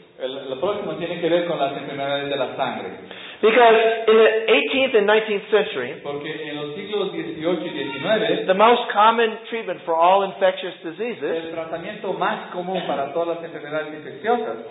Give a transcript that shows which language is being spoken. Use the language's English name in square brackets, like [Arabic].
[Spanish] La próxima tiene que ver con las enfermedades de la sangre. [English] Because in the 18th and 19th century, [Spanish] porque en los siglos 18 y 19, [English] the most common treatment for all infectious diseases, [Spanish] el tratamiento más común para todas las enfermedades infecciosas,